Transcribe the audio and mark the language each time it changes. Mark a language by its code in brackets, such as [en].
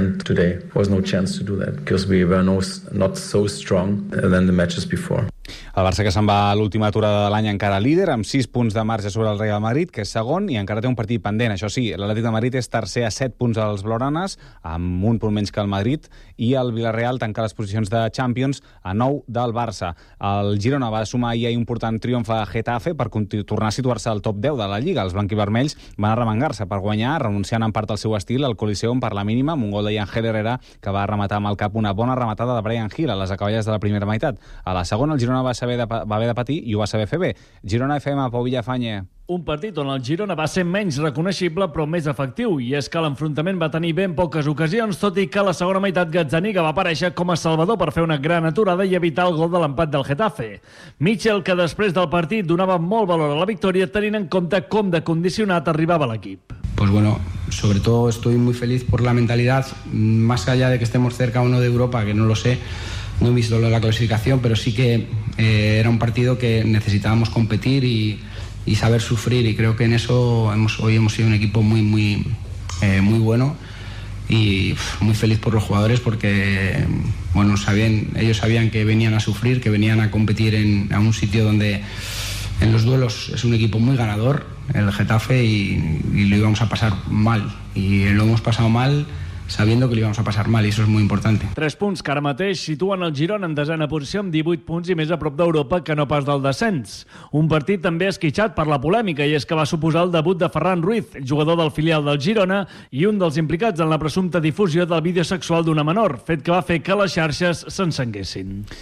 [en] Today was no chance to do that because we were not so strong than the matches before. [ca] El Barça, que se'n va a l'última aturada de l'any, encara líder, amb 6 punts de marge sobre el Real Madrid, que és segon, i encara té un partit pendent. Això sí, l'Atlètic de Madrid és tercer a 7 punts dels blaugranes, amb un punt menys que el Madrid, i el Villarreal tanca les posicions de Champions a 9 del Barça. El Girona va sumar ahir un important triomf a Getafe per tornar a situar-se al top 10 de la Lliga. Els blanquivermells van arremangar-se per guanyar, renunciant en part al seu estil al Coliseum per la mínima, amb un gol de Yangel Herrera, que va rematar amb el cap una bona rematada de Brian Hill a les acaballes de la primera meitat. A la segona, el Girona va haver de patir i ho va saber fer bé. Girona FM, Pau Villafañe. Un partit on el Girona va ser menys reconeixible però més efectiu, i és que l'enfrontament va tenir ben poques ocasions, tot i que la segona meitat Gazzaniga va aparèixer com a salvador per fer una gran aturada i evitar el gol de l'empat del Getafe. Mitchell, que després del partit donava molt valor a la victòria tenint en compte com de condicionat arribava l'equip. [es] Pues bueno, sobre todo estoy muy feliz por la mentalidad, más allá de que estemos cerca o no de Europa, que no lo sé. No he visto la clasificación, pero sí que era un partido que necesitábamos competir y saber sufrir, y creo que en eso hoy hemos sido un equipo muy, muy, muy bueno, y muy feliz por los jugadores porque, bueno, sabían, ellos sabían que venían a sufrir, que venían a competir en a un sitio donde en los duelos es un equipo muy ganador, el Getafe, y lo íbamos a pasar mal. Y lo hemos pasado mal sabiendo que lo íbamos a pasar mal, y eso es muy importante. [ca] Tres punts que ara mateix situen el Girona en desena posició amb 18 punts i més a prop d'Europa que no pas del descens. Un partit també esquitxat per la polèmica, i és que va suposar el debut de Ferran Ruiz, jugador del filial del Girona, i un dels implicats en la presumpta difusió del vídeo sexual d'una menor, fet que va fer que les xarxes s'encenguessin.